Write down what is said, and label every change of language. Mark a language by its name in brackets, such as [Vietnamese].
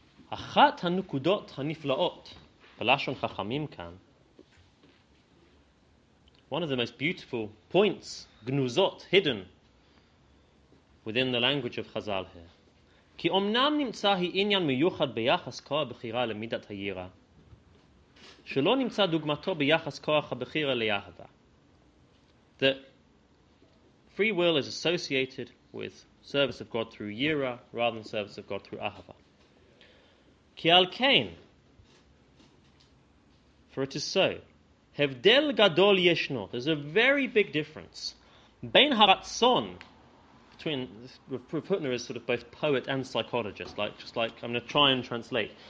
[Hebrew] Achat hanukudot hanifla'ot, b'lashon chachamim kan. [English] One of the most beautiful points, gnuzot, hidden, within the language of Chazal here. [Hebrew] כי אמנם נמצא היא עניין מיוחד ביחס כוח הבחירה למידת היראה, שלא נמצא דוגמתו ביחס כוח הבחירה ליהבה. [English] That free will is associated with service of God through yira rather than service of God through ahava. [Hebrew] כי על כן, [English] for it is so, [Hebrew] הבדל גדול ישנו, [English] there's a very big difference, [Hebrew] בין הרצון, [English] between Putner is sort of both poet and psychologist, I'm going to try and translate.